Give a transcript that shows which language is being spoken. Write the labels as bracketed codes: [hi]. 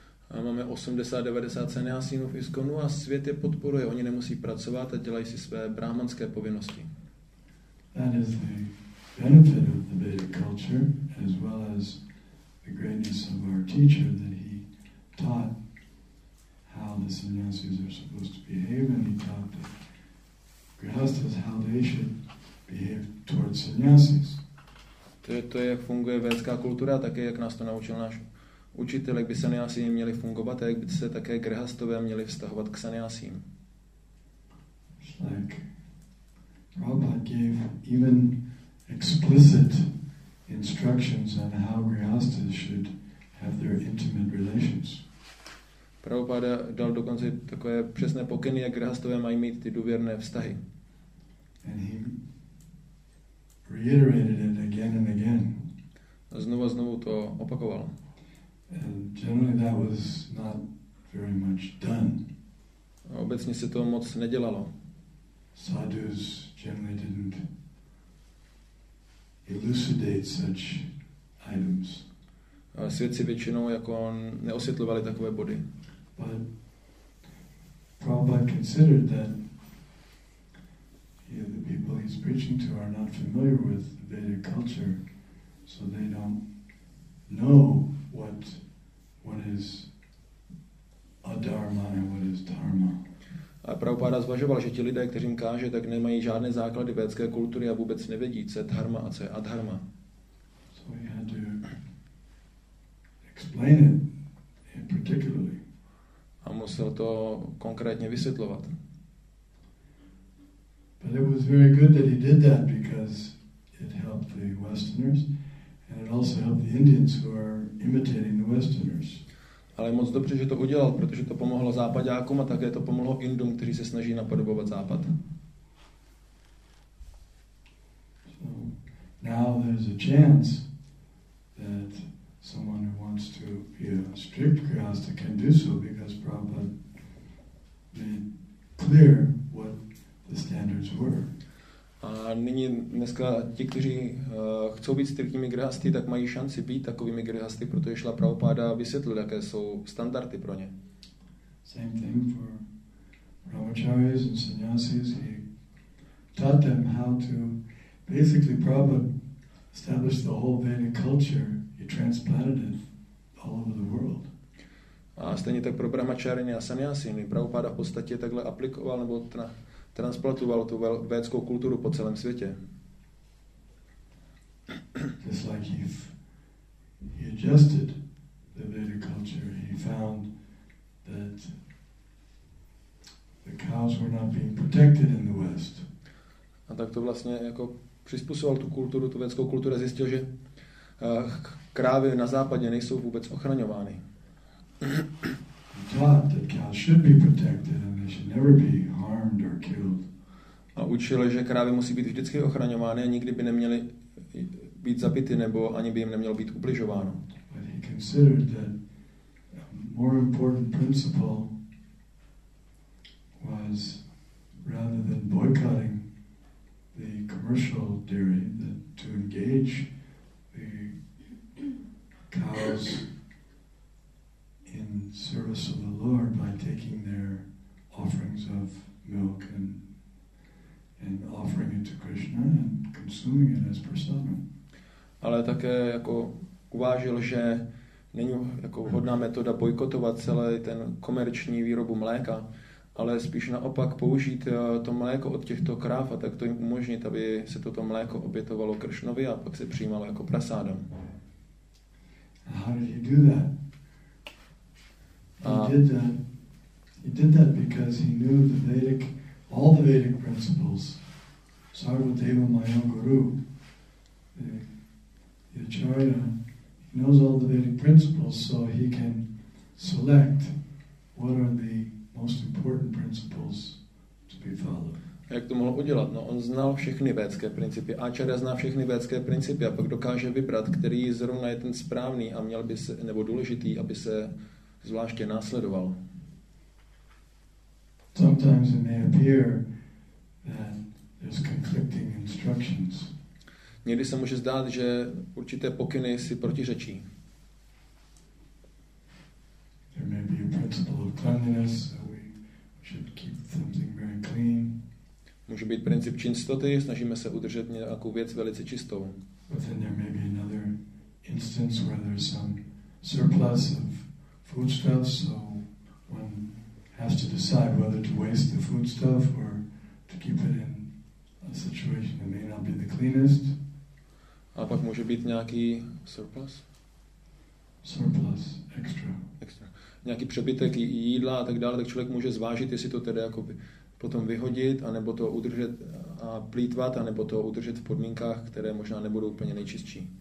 [cs] A máme 80-90 sannyasinů v ISKCONu a svět je podporuje. Oni nemusí pracovat a dělají si své brahmanské povinnosti. [en] That is the benefit of the Vedic culture as well as the greatness of our teacher that he taught how the sannyasis are supposed to behave, and he taught the grihasthas how they should behave towards sannyasis. [cs] To je, jak funguje védská kultura, také jak nás to naučil náš učitel, jak by sannyasi měli fungovat a jak by se také grihasthové měli vztahovat k sannyasím. [en] Like Prabhupada gave even explicit instructions on how grihasthas should have their intimate relations. [cs] Prabhupada dal dokonce takové přesné pokyny, jak grihasthové mají mít ty důvěrné vztahy. [en] And he reiterated it again and again. [cs] A znovu to opakoval. [en] And generally that was not very much done. [cs] Obecně se to moc nedělalo. [en] sadhus generally didn't elucidate such items. [cs] Svědci většinou jako neosvětlovali takové body. [en] But Prabhupada considered that the people he's preaching to are not familiar with Vedic culture, so they don't know what is a dharma and what is dharma. [cs] A Prabhupada zvažoval, že ti lidé, kteří jim káže, tak nemají žádné základy vedské kultury a vůbec nevědí, co je dharma a co je adharma. [en] So he had to explain it particularly. [cs] A musel to konkrétně vysvětlovat. [en] But it was very good that he did that because it helped the Westerners and it also helped the Indians who are imitating the Westerners. [cs] Ale moc dobře, že to udělal, protože to pomohlo západňákům a také to pomohlo Indům, kteří se snaží napodobovat západ. [en] So now there's a chance that someone who wants to be a strict grihastha can do so because Prabhupada made clear what the standards were. [cs] A nyní dneska ti, kteří chcou být striktními grihasty, tak mají šanci být takovými grihasty, protože Šrila Prabhupáda vysvětlil, jaké jsou standardy pro ně. [en] Same thing for brahmacharis and sannyasis. He taught them how to basically Prabhupada established the whole Vedic culture. He transplanted it all over the world. [cs] A stejně tak pro brahmacharyny a sannyasiny Prabhupáda v podstatě takhle aplikoval nebo transplantoval tu védskou kulturu po celém světě. [en] Just like he adjusted the Vedic culture, he found that the cows were not being protected in the West. [cs] A tak to vlastně jako přizpůsobil tu kulturu, tu védskou kulturu, zjistil, že krávy na západě nejsou vůbec ochraňovány. [en] Taught that cows should be protected and they should never be harmed or killed. [cs] A učil, že krávy musí být vždycky ochraňovány a nikdy by neměly být zabity nebo ani by jim nemělo být ubližováno. [en] But he considered that a more important principle was rather than boycotting the commercial dairy, that to engage the cows in service of the Lord by taking their offerings of milk and offering it to Krishna and consuming it as prasadam. [cs] Ale také jako uvážil, že není jako vhodná metoda bojkotovat celý ten komerční výrobu mléka, ale spíš naopak použít to mléko od těchto kráv a tak to jim umožnit, aby se toto mléko obětovalo Kršnovi a pak se přijímalo jako prasádam. [en] How did he do that? He did that because he knew the Vedic, all the Vedic principles. [sa] Sarvadeva Mayam Guru, [en] the Acharya, he knows all the Vedic principles, so he can select what are the most important principles to be followed. [cs] Jak to mohl udělat? No, on znal všechny védské principy. Acharya zná všechny védské principy a pak dokáže vybrat, který zrovna je ten správný a měl by se, nebo důležitý, aby se zvláště následoval. [en] Sometimes it may appear that there's conflicting instructions. [cs] Někdy se může zdát, že určité pokyny si protiřečí. [en] There may be a principle of cleanliness, so we should keep something very clean. [cs] Může být princip čistoty, snažíme se udržet nějakou věc velice čistou. [en] But then there may be another instance where there's some surplus of foodstuff, so one has to decide whether to waste the foodstuff or to keep it in a situation that may not be the cleanest. [cs] A pak může být nějaký surplus? [en] Surplus, extra. Extra. [cs] Nějaký přebytek jídla a tak dále, tak člověk může zvážit, jestli to tedy jako potom vyhodit, anebo to udržet a plýtvat, anebo to udržet v podmínkách, které možná nebudou úplně nejčistší.